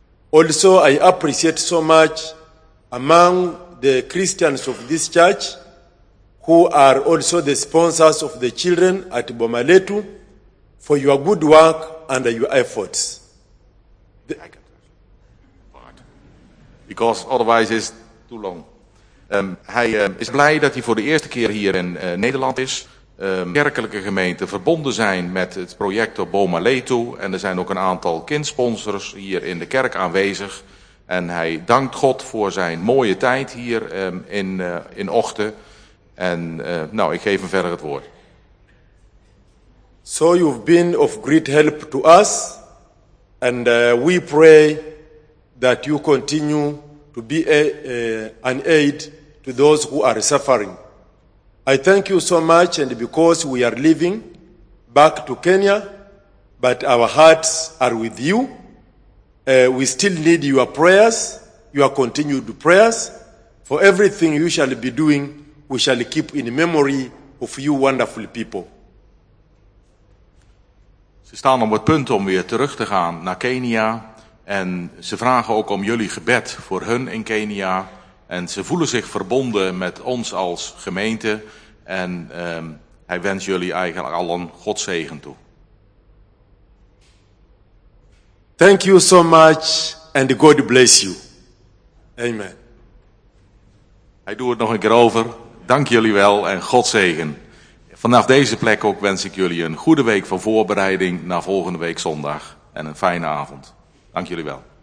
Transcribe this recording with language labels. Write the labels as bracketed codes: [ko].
[en] Also, I appreciate so much among the Christians of this church who are also the sponsors of the children at Bomaletu for your good work and your efforts. Because otherwise it's too long. [nl] Hij is blij dat hij voor de eerste keer hier in Nederland is. Kerkelijke gemeenten verbonden zijn met het project op Bomaletu en er zijn ook een aantal kindsponsors hier in de kerk aanwezig en hij dankt God voor zijn mooie tijd hier in Ochten en nou, ik geef hem verder het woord. [en] So you've been of great help to us and we pray that you continue to be an aid to those who are suffering. I thank you so much, and because we are leaving back to Kenya, but our hearts are with you. We still need your prayers, your continued prayers. For everything you shall be doing, we shall keep in memory of you wonderful people. [nl] Ze staan op het punt om weer terug te gaan naar Kenia. En ze vragen ook om jullie gebed voor hun in Kenia. En ze voelen zich verbonden met ons als gemeente. En hij wenst jullie eigenlijk al een Godszegen toe. [en] Thank you so much and God bless you. Amen. [nl] Hij doet het nog een keer over. Dank jullie wel en God zegen. Vanaf deze plek ook wens ik jullie een goede week van voorbereiding naar volgende week zondag. En een fijne avond. Dank jullie wel.